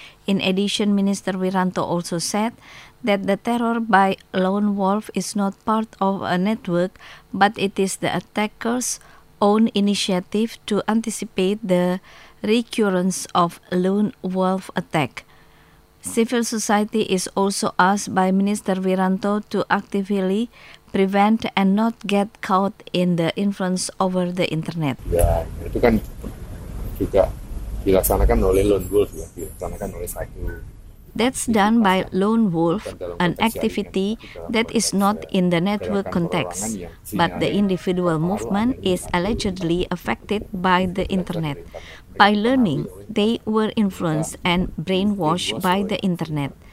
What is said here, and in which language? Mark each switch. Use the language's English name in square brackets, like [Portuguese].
[English] In addition, Minister Wiranto also said that the terror by lone wolf is not part of a network, but it is the attacker's own initiative to anticipate the recurrence of lone wolf attack. Civil society is also asked by Minister Wiranto to actively prevent and not get caught in the influence over the internet. [Indonesian] Ya, itu kan juga dilaksanakan oleh lone wolf, ya, dilaksanakan oleh cyber. [English] That's done by lone wolf, an activity that is not in the network context, but the individual movement is allegedly affected by the internet. By learning, they were influenced and brainwashed by the internet.